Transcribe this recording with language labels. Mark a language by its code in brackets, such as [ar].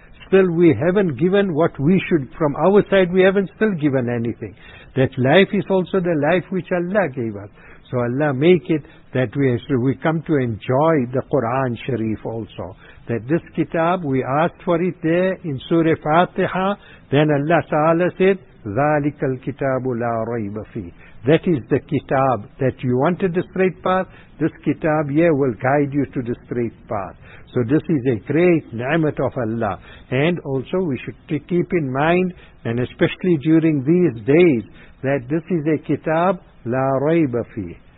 [en] Still we haven't given what we should. From our side we haven't still given anything. That life is also the life which Allah gave us. So Allah make it that we come to enjoy the Quran Sharif also. That this kitab, we asked for it there in Surah Fatiha. Then Allah Ta'ala said, [ar] ذَلِكَ الْكِتَابُ لَا رَيْبَ فِيهِ. [en] That is the kitab. That you wanted the straight path, this kitab here will guide you to the straight path. So this is a great ni'mat of Allah. And also we should keep in mind, and especially during these days, that this is a kitab, [ar] la rayba fi.